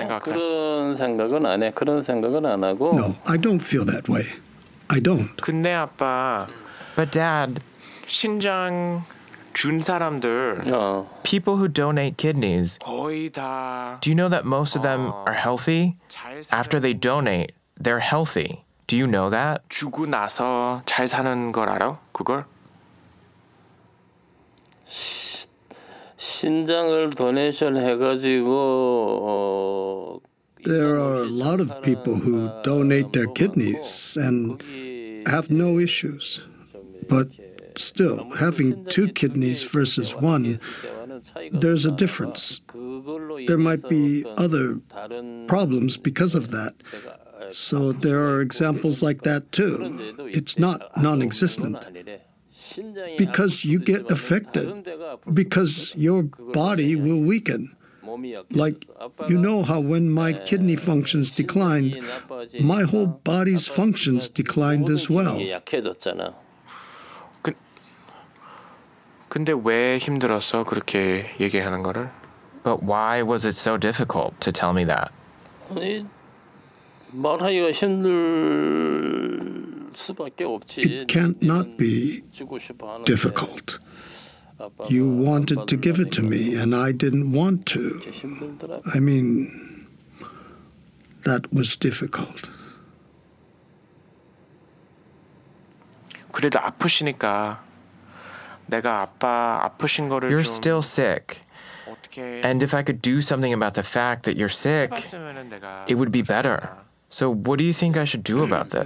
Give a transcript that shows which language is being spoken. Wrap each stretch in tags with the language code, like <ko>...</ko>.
<en>No, I don't feel that way. I don't.</en> <ko>근데 아빠,</ko> <en>but Dad,</en> <ko>신장 준 사람들,</ko> <en>people who donate kidneys,</en> <ko>거의 다,</ko> <en>do you know that most of them are healthy? After they donate, they're healthy. Do you know that?</en> <ko>죽고 나서 잘 사는 걸 알아? 그걸? 신장을 도네이션 해가지고,</ko> <en>There are a lot of people who donate their kidneys and have no issues. But still, having two kidneys versus one, there's a difference. There might be other problems because of that. So there are examples like that too. It's not non-existent. Because you get affected, because your body will weaken. Like, you know how when my kidney functions declined, my whole body's functions declined as well.</en> <ko>근데 왜 힘들었어 그렇게 얘기하는 거를?</ko> <en>But why was it so difficult to tell me that?</en> <ko>말하기가 힘들 수밖에 없지.</ko> <en>It can't not be difficult. You wanted to give it to me, and I didn't want to. I mean, that was difficult.</en> <ko>그래도 아프시니까 내가 아빠 아프신 거를 좀</ko> <en>You're still sick. And if I could do something about the fact that you're sick, it would be better. So what do you think I should do about this?</en>